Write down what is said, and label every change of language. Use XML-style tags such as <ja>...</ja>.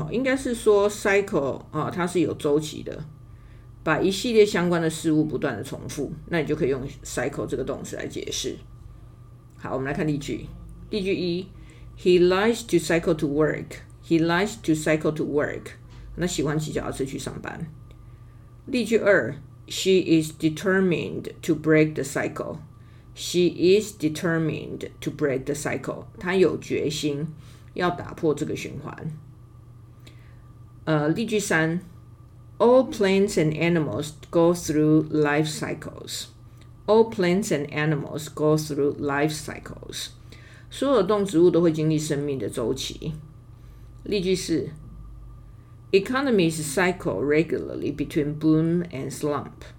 <zh>应该是说 cycle 它是有周期的，把一系列相关的事物不断的重复，那你就可以用 cycle 这个动词来解释。好，我们来看例句。例句一，</zh> <en>He likes to cycle to work. He likes to cycle to work.</en> <zh>那喜欢骑脚踏车去上班。例句二，</zh> <en>She is determined to break the cycle. She is determined to break the cycle.</en> <zh>她有决心要打破这个循环。例句三，</zh> <en>All plants and animals go through life cycles. All plants and animals go through life cycles.</en> <zh>所有动植物都会经历生命的周期。例句四，</zh> <en>Economies cycle regularly between boom and slump.</en>